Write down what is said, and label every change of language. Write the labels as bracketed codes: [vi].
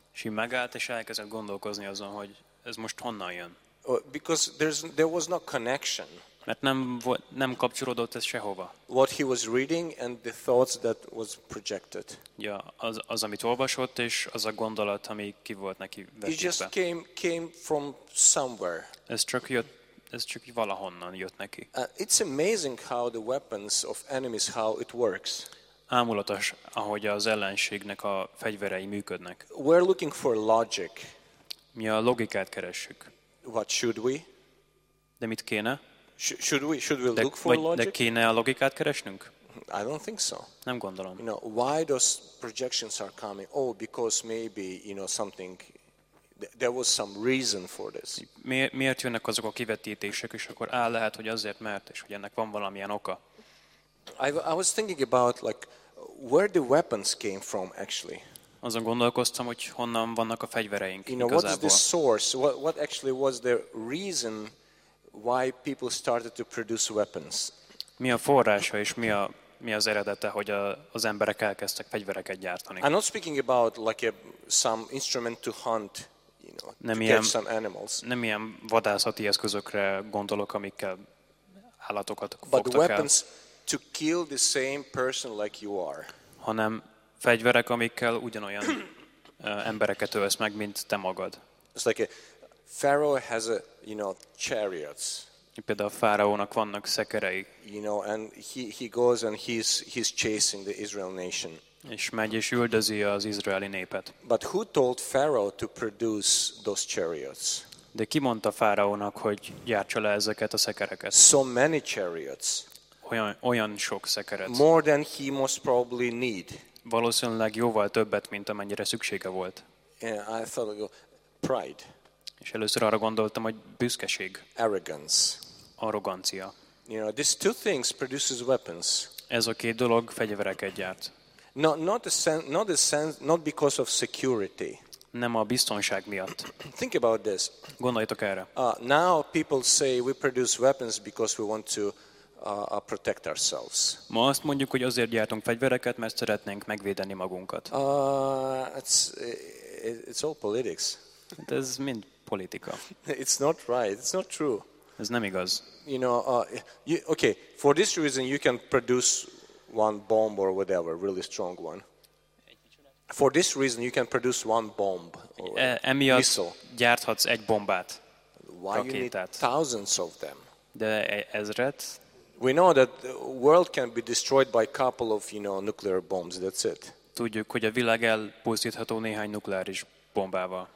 [hu] És megállt és elkezdett gondolkozni azon, hogy ez most honnan jön. [en] Because there was no connection. [hu] Mert nem kapcsolódott ez sehova. [en] What he was reading and the thoughts that was projected. [hu] Ja, az amit olvasott és az a gondolat, ami ki volt neki vetítve. [en] It just came from somewhere. [hu] Ez csak valahonnan jött neki. [en] It's amazing how the weapons of enemies how it works. [hu] Ámulatos, ahogy az ellenségnek a fegyverei működnek. [en] We're looking for logic. [hu] Mi a logikát keressük. [en] What should we? [hu] De mit kéne? [en] Should we look for logic? [hu] De kéne a logikát keresnünk? [en] I don't think so. [hu] Nem gondolom. [en] You know, why those projections are coming? Oh, because maybe, you know, something, there was some reason for this. [hu] Miért jönnek azok a kivetítések, és akkor áll lehet, hogy azért mert, és hogy ennek van valamilyen oka. [en] I was thinking about, like, where the weapons came from, actually. [hu] Azon gondolkoztam, hogy honnan vannak a fegyvereink igazából. [en] You know, what is the source? What actually was the reason why people started to produce weapons? [hu] Mi a forrása és mi az eredete, hogy az emberek elkezdtek fegyvereket gyártani? [en] I'm not speaking about like some instrument to hunt, you know, catch some animals. [hu] Nem ilyen vadászati eszközökre gondolok, amikkel állatokat fogtak el. [en] But weapons to kill the same person like you are. [hu] Hanem fegyverek, amikkel ugyanolyan embereket ölsz meg, mint te magad. [en] It's like Pharaoh has a, you know, chariots. [hu] Például a fáraónak vannak szekerei. [en] You know, and he goes and he's chasing the Israel nation. [hu] És megy és üldözi az izraeli népet. [en] But who told Pharaoh to produce those chariots? [hu] De ki mondta fáraónak, hogy gyártsa le ezeket a szekereket? [en] So many chariots. [hu] Olyan sok szekeret. [en] More than he most probably need. [hu] Valószínűleg jóval többet, mint amennyire szüksége volt. [en] Yeah, I thought like pride. [hu] És először arra gondoltam, hogy büszkeség. [en] Arrogance. [hu] Arrogancia. [en] You know, these two things produces weapons. [hu] Ez a két dolog fegyvereket gyárt. [en] No, not because of security. [hu] Nem a biztonság miatt. [en] Think about this. [hu] Gondoljatok erre. [en] Now people say we produce weapons because we want to protect ourselves. [hu] Ma azt mondjuk, hogy azért gyártunk fegyvereket, mert szeretnénk megvédeni magunkat. [en] It's all politics. [hu] Ez mind politika. [en] It's not right. It's not true. [hu] Ez nem igaz. [en] You know, okay, for this reason you can produce one bomb or whatever, really strong one. For this reason you can produce one bomb or missile. [hu] Gyárthatsz egy bombát. [en] Why you need thousands of them? [hu] De ezret. [en] We know that the world can be destroyed by a couple of, you know, nuclear bombs. That's it. [hu] Tudjuk, hogy a világ elpusztítható néhány nukleáris bombával.